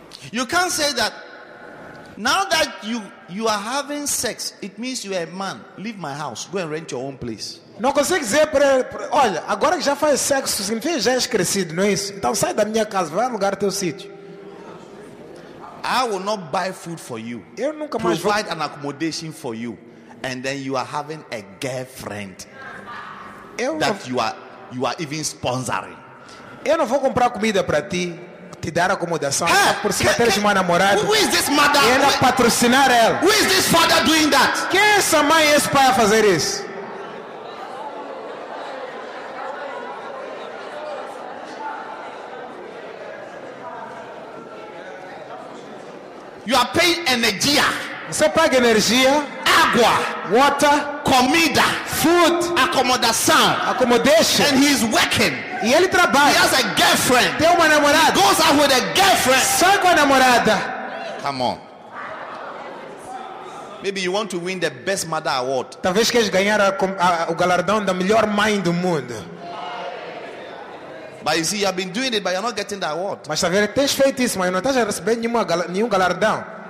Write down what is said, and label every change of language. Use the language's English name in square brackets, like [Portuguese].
[English] You can't say that now that you are having sex, it means you are a man. Leave my house, go and rent your own place. [Portuguese] Não consegues dizer para ele, olha, agora que já faz sexo, significa que já és crescido, não é isso? Então sai da minha casa, vai alugar teu sítio. [English] I will not buy food for you. [Portuguese] Eu nunca [English] provide [Portuguese] mais vou [English] an accommodation for you. And then you are having a girlfriend that you are even sponsoring. [Portuguese] Eu não vou comprar comida para ti, te dar acomodação, hey, por cima teres uma namorada. [English] Who is this mother? [Portuguese] E ela patrocinar ela. [English] Who is this father doing that? [Portuguese] Quem é essa mãe, esse pai a fazer isso? [English] You are paying energia. [Portuguese] Você paga energia. Água, [English] water, [Portuguese] comida, [English] food, acomodação, and he's working. [Portuguese] E ele trabalha. [English] He has a girlfriend. [Portuguese] Tem uma namorada. [English] He goes out with a girlfriend. [Portuguese] Sai com a namorada. [English] Come on. Maybe you want to win the best mother award. [Portuguese] Talvez queres ganhar o galardão da melhor mãe do mundo. [English] But you see, you have been doing it, but you're not getting the award. [Portuguese] Mas talvez tenhas feito isso, mas não estás a receber nenhum galardão.